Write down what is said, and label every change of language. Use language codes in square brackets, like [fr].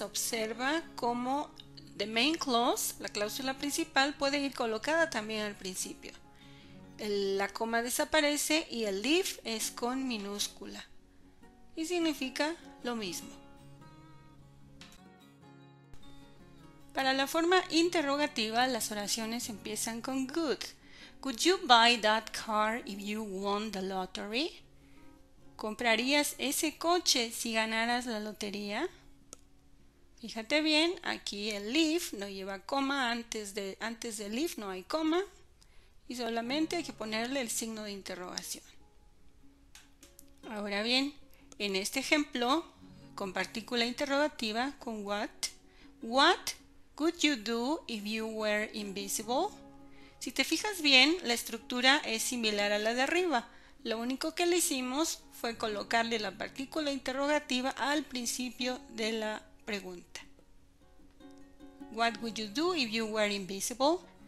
[es] Observa cómo [en] the main clause, [es] la cláusula principal, puede ir colocada también al principio. La coma desaparece y el if es con minúscula. Y significa lo mismo. Para la forma interrogativa, las oraciones empiezan con good. [en] Could you buy that car if you won the lottery? [es] ¿Comprarías ese coche si ganaras la lotería? Fíjate bien, aquí el if no lleva coma, antes del if no hay coma. Y solamente hay que ponerle el signo de interrogación. Ahora bien, en este ejemplo, con partícula interrogativa, con what. [en] What could you do if you were invisible? [es] Si te fijas bien, la estructura es similar a la de arriba. Lo único que le hicimos fue colocarle la partícula interrogativa al principio de la pregunta. [en] What would you do if you were invisible?